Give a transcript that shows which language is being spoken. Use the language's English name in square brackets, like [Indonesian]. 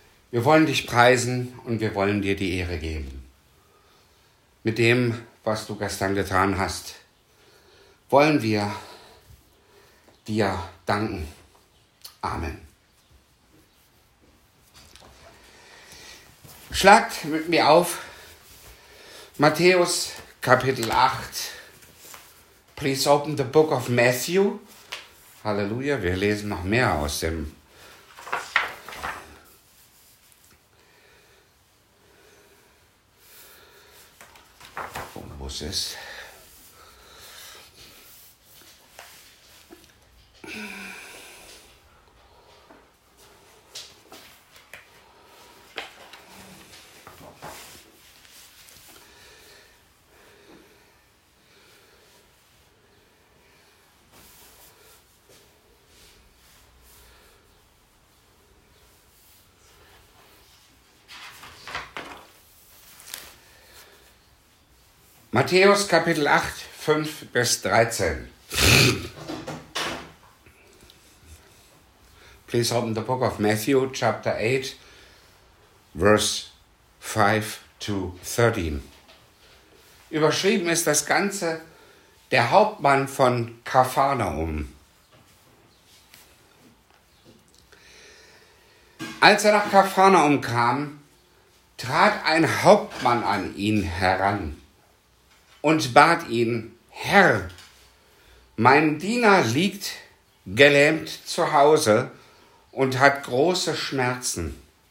[German] Wir wollen dich preisen und wir wollen dir die Ehre geben. Mit dem, was du gestern getan hast, wollen wir dir danken. Amen. Schlagt mit mir auf Matthäus Kapitel 8. [English] Please open the book of Matthew. [German] Halleluja, wir lesen noch mehr aus dem Wo ist es? Matthäus Kapitel 8, 5 bis 13. [English] Please open the book of Matthew, chapter 8, verse 5 to 13. [German] Überschrieben ist das Ganze der Hauptmann von Kapharnaum. Als er nach Kapharnaum kam, trat ein Hauptmann an ihn heran und bat ihn: Herr, mein Diener liegt gelähmt zu Hause und hat große Schmerzen.